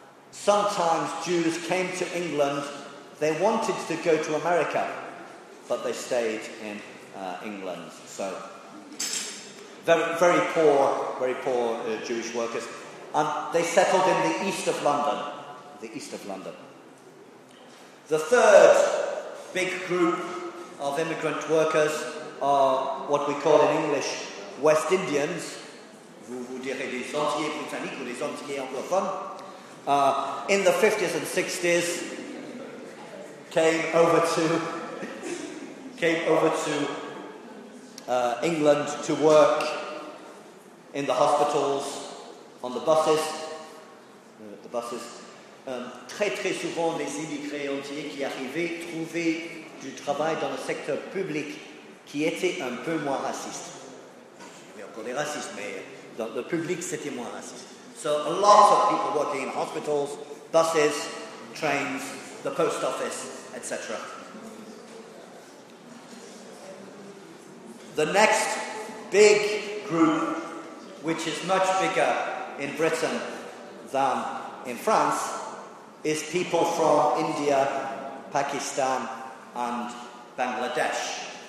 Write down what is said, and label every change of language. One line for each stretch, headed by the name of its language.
English: Sometimes Jews came to England, they wanted to go to America, but they stayed in England, so very, very poor Jewish workers. And they settled in the east of London. The third big group of immigrant workers are what we call in English West Indians.
French: vous direz des Antillais britanniques ou des Antillais anglophones.
English: In the 50s and 60s, came over to England to work in the hospitals, on the buses.
French: Très très souvent, les immigrés antillais qui arrivaient trouvaient du travail dans le secteur public qui était un peu moins raciste. Il y a encore des racistes, mais dans le public, c'était moins raciste.
English: So a lot of people working in hospitals, buses, trains, the post office, etc. The next big group, which is much bigger in Britain than in France, is people from India, Pakistan, and Bangladesh.